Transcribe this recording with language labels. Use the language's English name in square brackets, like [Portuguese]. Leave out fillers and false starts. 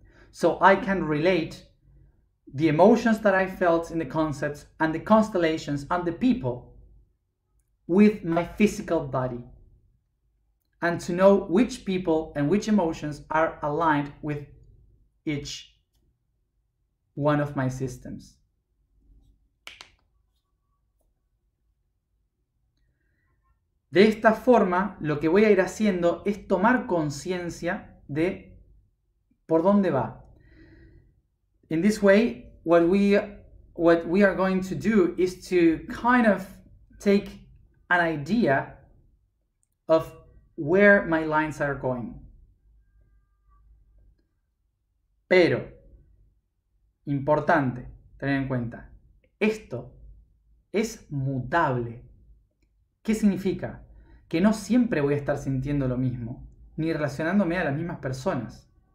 [English] So I can relate the emotions that I felt in the concepts and the constellations and the people with my physical body, and to know which people and which emotions are aligned with each one of my systems. [Spanish] De esta forma, lo que voy a ir haciendo es tomar conciencia de por dónde va. [English] In this way, what we are going to do is to kind of take an idea of where my lines are going. [Spanish] Pero, importante tener en cuenta, esto es mutable. ¿Qué significa? Que no siempre voy a estar sintiendo lo mismo, ni relacionándome a las mismas personas.